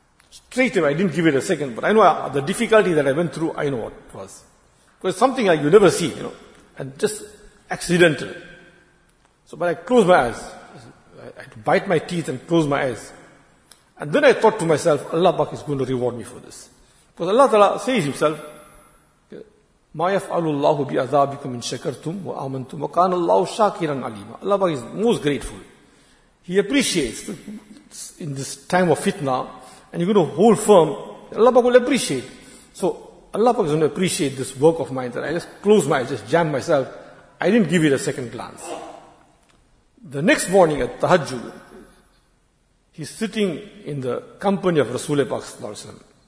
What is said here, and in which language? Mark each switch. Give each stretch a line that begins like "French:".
English: Straight away, I didn't give it a second, but I know the difficulty that I went through, I know what it was. Because it's something like you never see, you know, and just accidental. So, but I closed my eyes. I had to bite my teeth and close my eyes. And then I thought to myself, Allah Pak is going to reward me for this. Because Allah Ta'ala says himself,
Arabic: مَا يَفْعَلُ اللَّهُ بِعَذَابِكُمْ مِنْ شَكَرْتُمْ وَآمَنْتُمْ وَكَانَ اللَّهُ شَاكِرًا عَلِيمًا.
English: Allah Pak is most grateful. He appreciates in this time of fitna, and you're going to hold firm, Allah Pak will appreciate. So Allah Pak is going to appreciate this work of mine that I just closed my eyes, just jammed myself. I didn't give it a second glance. The next morning at Tahajjud, he's sitting in the company of Rasulullah Sallallahu Alaihi Wasallam.